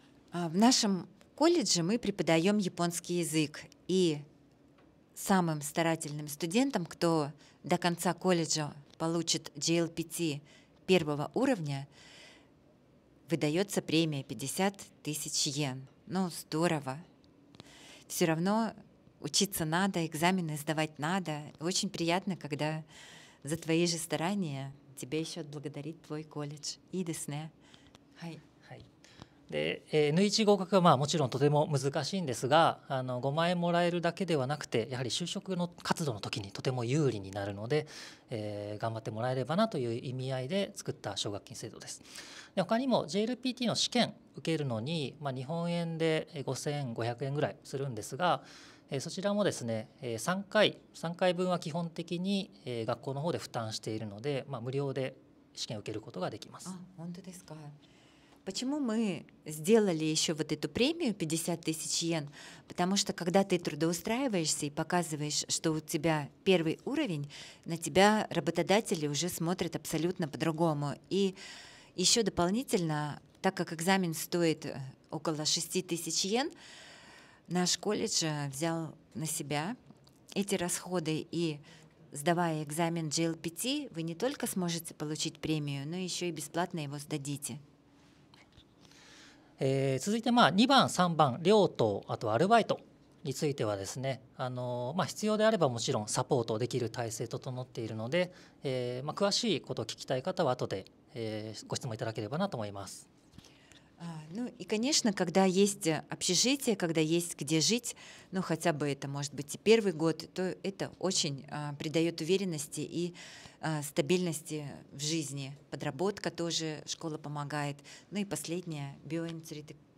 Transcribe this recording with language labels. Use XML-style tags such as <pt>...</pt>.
<ru>В нашем колледже мы преподаем японский язык, и самым старательным студентам, кто до конца колледжа получит JLPT первого уровня, выдается премия 50 000 йен. Ну, здорово! Все равно учиться надо, экзамены сдавать надо. Очень приятно, когда за твои же старания тебе еще отблагодарит твой колледж.</ru> <ja>いいですね。はい。はい。で、N1 合格はまあもちろんとても難しいんですが、あの5万円もらえるだけではなくて、やはり就職の活動の時にとても有利になるので、頑張ってもらえればなという意味合いで作った奨学金制度です。で、他にも JLPT の試験受けるのに、まあ、日本円で5500円ぐらいするんですが、そちらもですね、3回分は基本的に学校の方で負担しているので、まあ、無料で試験を受けることができます。あ、本当ですか。</ja> <ru>Почему мы сделали еще вот эту премию 50 тысяч йен? Потому что когда ты трудоустраиваешься и показываешь, что у тебя первый уровень, на тебя работодатели уже смотрят абсолютно по-другому. И еще дополнительно, так как экзамен стоит около 6 тысяч йен, наш колледж взял на себя эти расходы. И сдавая экзамен JLPT, вы не только сможете получить премию, но еще и бесплатно его сдадите.</ru> <ja>続いてまあ2番3番寮とあとアルバイトについてはですね、まあ必要であればもちろんサポートできる体制整っているので、まあ詳しいことを聞きたい方は後で、ご質問いただければなと思います。</ja> <ru>Ну и конечно, когда есть общежитие, когда есть где жить, ну хотя бы это может быть и первый год, то это очень придает уверенности и стабильности в жизни. Подработка тоже, школа помогает. Ну и последнее, биоинтегрированность.</ru>